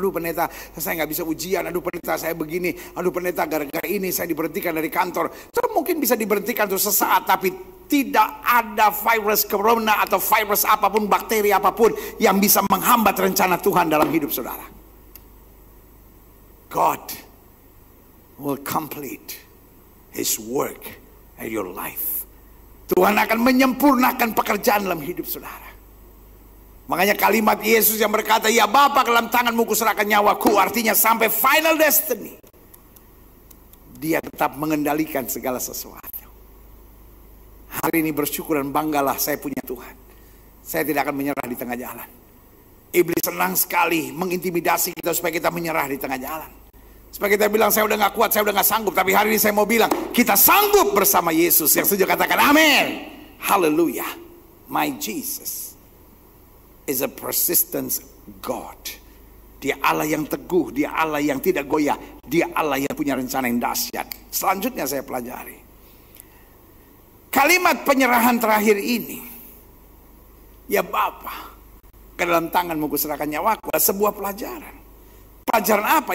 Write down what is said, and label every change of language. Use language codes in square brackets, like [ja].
[id] Aduh pendeta, saya gak bisa ujian. Aduh pendeta, saya begini. Aduh pendeta, gara-gara ini saya diberhentikan dari kantor. Tuhan mungkin bisa diberhentikan untuk sesaat, tapi tidak ada virus corona atau virus apapun, bakteri apapun yang bisa menghambat rencana Tuhan dalam hidup saudara. [en] God will complete his work in your life. [id] Tuhan akan menyempurnakan pekerjaan dalam hidup saudara. Makanya kalimat Yesus yang berkata, ya Bapa, dalam tanganmu kuserahkan nyawaku, artinya sampai final destiny, dia tetap mengendalikan segala sesuatu. Hari ini bersyukur dan banggalah, saya punya Tuhan. Saya tidak akan menyerah di tengah jalan. Iblis senang sekali mengintimidasi kita supaya kita menyerah di tengah jalan. Supaya kita bilang, saya udah gak kuat, saya udah gak sanggup. Tapi hari ini saya mau bilang, kita sanggup bersama Yesus. Yang setuju katakan, amin. Haleluya. [en] My Jesus is a persistence God. [id] Dia Allah yang teguh, dia Allah yang tidak goyah. Dia Allah yang punya rencana yang dahsyat. Selanjutnya saya pelajari. Kalimat penyerahan terakhir ini. Ya Bapa, ke dalam tanganmu kuserahkan nyawaku. Sebuah pelajaran. Pelajaran apa?